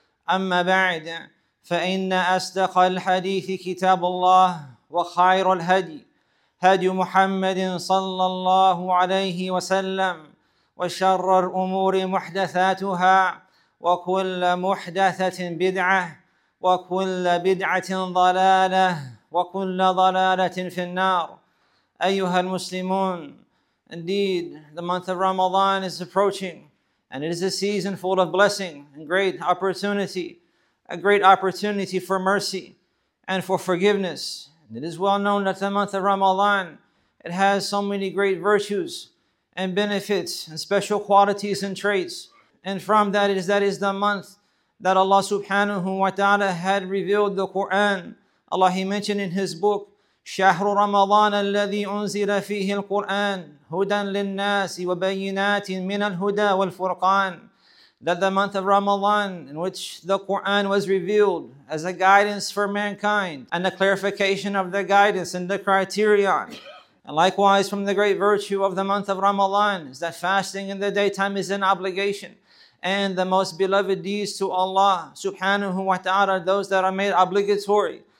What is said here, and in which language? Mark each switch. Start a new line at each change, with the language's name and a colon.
Arabic: أما بعد فإن أصدق الحديث كتاب الله وخير الهدي هدي محمد صلى الله عليه وسلم وشر الأمور محدثاتها وكل محدثة بدعة وكل بدعة ضلالة وكل ضلالة في النار أيها المسلمون.
English: Indeed, the month of Ramadan is approaching, and it is a season full of blessing and great opportunity, a great opportunity for mercy and for forgiveness. And it is well known that the month of Ramadan, it has so many great virtues and benefits and special qualities and traits. And from that is the month that Allah subhanahu wa ta'ala had revealed the Quran. Allah, He mentioned in His book,
Arabic: شهر رمضان الذي أنزل فيه القرآن هدى للناس
English: وبينات من الهدى والفرقان. That the month of Ramadan in which the Quran was revealed as a guidance for mankind and a clarification of the guidance and the criterion. And likewise from the great virtue of the month of Ramadan is that fasting in the daytime is an obligation. And the most beloved deeds to Allah subhanahu wa ta'ala are those that are made obligatory.